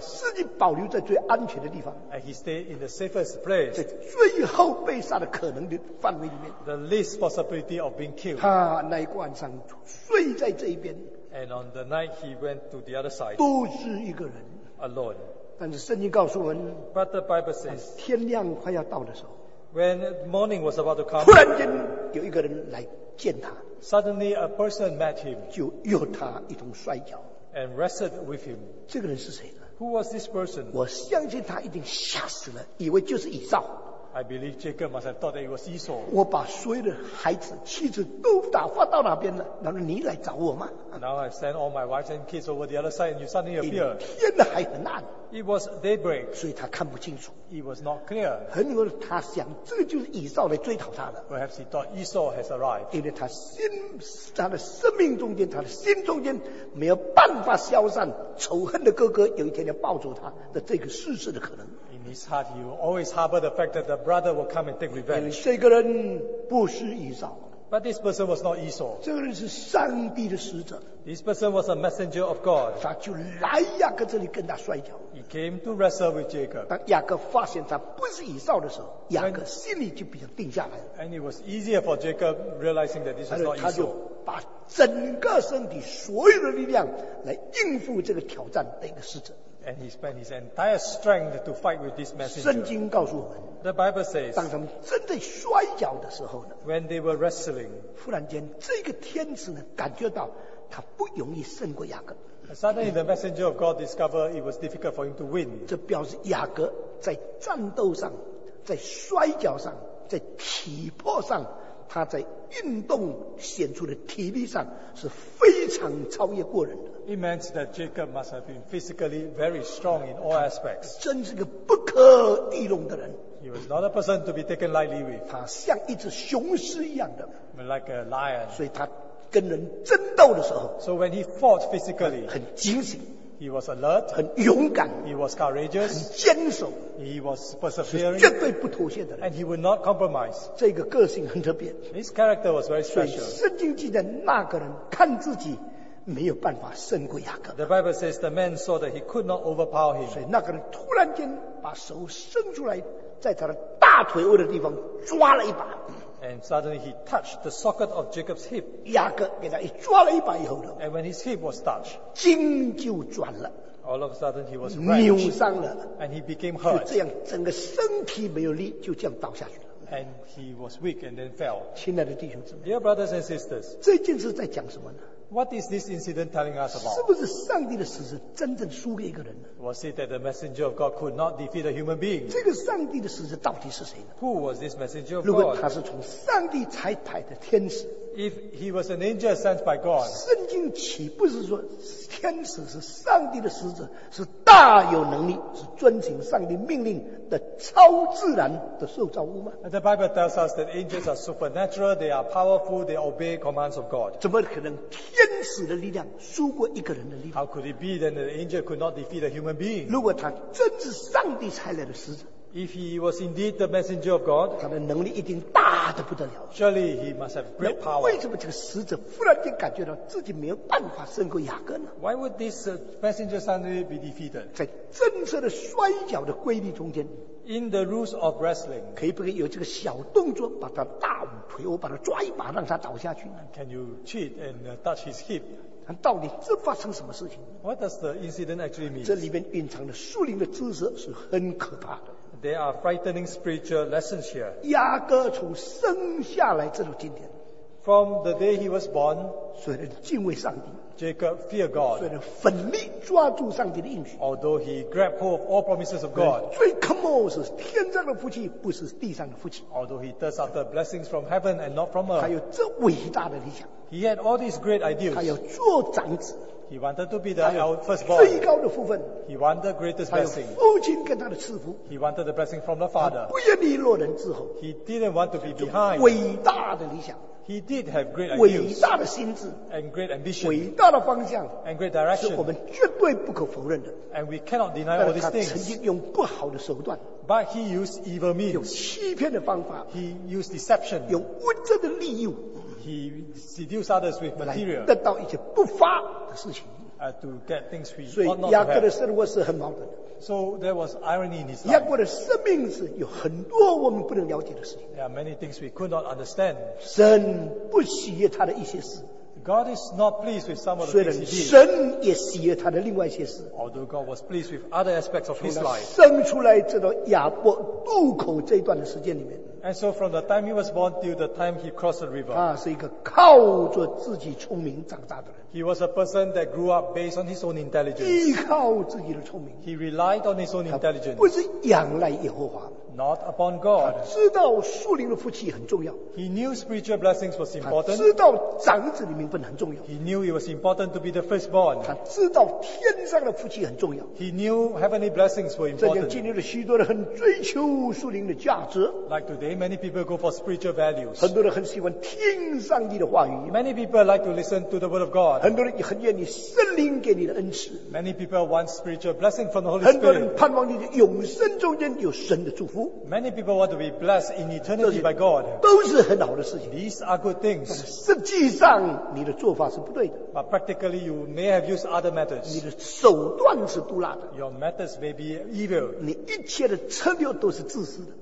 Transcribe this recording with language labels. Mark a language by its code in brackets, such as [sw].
[zh] 自己保留在最安全的地方。 [en] And he stayed in the safest place. [zh] 在最后被杀的可能的范围里面。 [en] The least possibility of being killed. [zh] 他那一晚上睡在这一边。 [en] And on the night he went to the other side. [zh] 独自一个人。 [en] Alone. [zh] 但是圣经告诉我们。 [en] But the Bible says. [zh] 天亮快要到的时候。 [en] When morning was about to come, [zh] 突然间有一个人来见他。 [en] Suddenly a person met him, [zh] 就与他一同摔跤。 [en] And wrestled with him. [zh] 这个人是谁呢？ [en] Who was this person? [zh] 我相信他一定吓死了，以为就是以扫。 [en] I believe Jacob must have thought that it was Esau. [zh] 我把所有的孩子、妻子都打发到哪边了？难道你来找我吗？ [en] Now I've sent all my wives and kids over the other side, and you suddenly appear. [zh] 天的还很暗。 [en] It was daybreak. [zh] 所以他看不清楚。 [en] It was not clear. [zh] 很有可能他想，这个就是以扫来追讨他的。 [en] Perhaps he thought Esau has arrived. [zh] 因为他心，他的生命中间，他的心中间没有办法消散仇恨的哥哥有一天要抱住他的这个事实的可能。 [en] His heart, he will always harbor the fact that the brother will come and take revenge. [zh] 这个人不是以扫。 [en] But this person was not Esau. [zh] 这个人是上帝的使者。 [en] This person was a messenger of God. [zh] 他就来雅各这里跟他摔跤。 [en] He came to wrestle with Jacob. [zh] 当雅各发现他不是以扫的时候，雅各心里就比较定下来了。 [en] And it was easier for Jacob realizing that this was not Esau. [zh] 他就把整个身体所有的力量来应付这个挑战的一个使者。 [en] And he spent his entire strength to fight with this messenger. [zh] 圣经告诉我们， [en] The Bible says, [zh] 当他们真的摔跤的时候呢， [en] When they were wrestling, [zh] 忽然间这个天使呢感觉到他不容易胜过雅各。 [en] Suddenly the messenger of God discovered it was difficult for him to win. [zh] 这表示雅各在战斗上，在摔跤上，在体魄上，他在运动显出的体力上是非常超越过人的。 [en] It means that Jacob must have been physically very strong in all aspects. [zh] 真是个不可易容的人。 [en] He was not a person to be taken lightly with. [zh] 他像一只雄狮一样的。 [en] Like a lion. [zh] 所以他跟人争斗的时候。 [en] So when he fought physically. [zh] 很警醒。 [en] He was alert. [zh] 很勇敢。 [en] He was courageous. [zh] 很坚守。 [en] He was persevering. [zh] 绝对不妥协的人。 [en] And he would not compromise. [zh] 这个个性很特别。 [en] His character was very special. [zh] 圣经记载那个人看自己。没有办法胜过雅各。 [en] The Bible says the man saw that he could not overpower him. [zh] 所以那个人突然间把手伸出来，在他的大腿窝的地方抓了一把。 [en] And suddenly he touched the socket of Jacob's hip. [zh] 雅各给他一抓了一把以后呢 [en] ？And when his hip was touched, [zh] 筋就转了。 [en] All of a sudden he was [zh] 扭伤了。 [en] And he became hurt. [zh] 就这样，整个身体没有力，就这样倒下去了。 [en] And he was weak and then fell. [zh] 亲爱的弟兄姊妹 [en] ，Dear brothers and sisters， [zh] 这件事在讲什么呢？ [en] What is this incident telling us about? [zh] 是不是上帝的使者真正输给一个人呢？ [en] Was it that the messenger of God could not defeat a human being? [zh] 这个上帝的使者到底是谁呢？ [en] Who was this messenger of God? [zh] 如果他是从上帝差派的天使， [en] If he was an angel sent by God, [zh] 圣经岂不是说天使是上帝的使者，是大有能力，是遵行上帝命令的超自然的受造物吗？ [en] The Bible tells us that angels are supernatural, they are powerful, they obey commands of God. [zh] 怎么可能天使的力量输过一个人的力量？ [en] How could it be that an angel could not defeat a human being? [zh] 如果他真是上帝差来的使者， [en] If he was indeed the messenger of God, [zh] 他的能力一定大得不得了。 [en] Surely he must have great power. [zh] 为什么这个使者忽然间感觉到自己没有办法胜过雅各呢？ [en] Why would this messenger suddenly be defeated? [zh] 在真实的摔跤的规律中间， [en] In the rules of wrestling, [zh] 可以不可以有这个小动作把他大腿我把他抓一把让他倒下去呢？ [en] Can you cheat and touch his hip? [zh] 到底这发生什么事情？ [en] What does the incident actually mean? [zh] 这里面蕴藏的树林的知识是很可怕的。 [en] There are frightening spiritual lessons here. [zh] 雅各从生下来直到今天， [en] From the day he was born, [zh] 虽然敬畏上帝 [en] ，Jacob feared God， [zh] 虽然奋力抓住上帝的应许 [en] ，Although he grabbed hold of all promises of God， [zh] 最渴慕是天上的福气，不是地上的福气 [en] ，Although he thirsts after blessings from heaven and not from earth， [zh] 他有这伟大的理想 [en] ，He had all these great ideas， [zh] 他要做长子。 [en] He wanted to be the firstborn. [zh] 最高的福分。 [en] He wanted the greatest blessing. [zh] 还有父亲跟他的赐福。 [en] He wanted the blessing from the father. [zh] 不愿意落人之后。 [en] He didn't want to be behind. [zh] 伟大的理想。 [en] He did have great ideas. [zh] 伟大的心智。 [en] And great ambition. [zh] 伟大的方向。 [en] And great direction. [zh] 是我们绝对不可否认的。 [en] And we cannot deny all these things. [zh] 他曾经用不好的手段。 [en] But he used evil means. [zh] 用欺骗的方法。 [en] He used deception. [zh] 用物质的利诱。 [en] He seduced others with material. [zh] 得到一些不发的事情。 [en] To get things we ought not to have. [zh] 所以雅各的生活是很矛盾的。 [en] So there was irony in his life. [zh] 雅各的生命是有很多我们不能了解的事情。 [en] There are many things we could not understand. [zh] 神不喜悦他的一些事。 [en] God is not pleased with some of the things he did. [zh] 神也喜悦他的另外一些事。 [en] Although God was pleased with other aspects of his life. [zh] 生出来这个亚伯渡口这一段的时间里面。 [en] And so from the time he was born till the time he crossed the river, [zh] 他是一个靠着自己聪明长大的人。 [en] He was a person that grew up based on his own intelligence. [zh] 依靠自己的聪明。 [en] He relied on his own intelligence. [zh] 不是仰赖耶和华。 [en] Not upon God. [zh] 他知道属灵的福气很重要。 [en] He knew spiritual blessings was important. [zh] 他知道长子的名分很重要。 [en] He knew it was important to be the firstborn. [zh] 他知道天上的福气很重要。 [en] He knew heavenly blessings were important. [zh] 这就经历了许多人很追求属灵的价值。 [en] Like today, many people go for spiritual values. [zh] 很多人很喜欢听上帝的话语。 [en] Many people like to listen to the word of God. [zh] 很多人很愿意圣灵给你的恩赐。 [en] Many people want spiritual blessing from the Holy Spirit. [zh] 很多人盼望你的永生中间有神的祝福。 [en] Many people want to be blessed in eternity by God. [zh] 都是很好的事情。 [en] These are good things. [zh] 实际上你的做法是不对的。 [en] But practically you may have used other methods. [zh] 你的手段是毒辣的。 [en] Your methods may be evil. [zh] 你一切的策略都是自私的。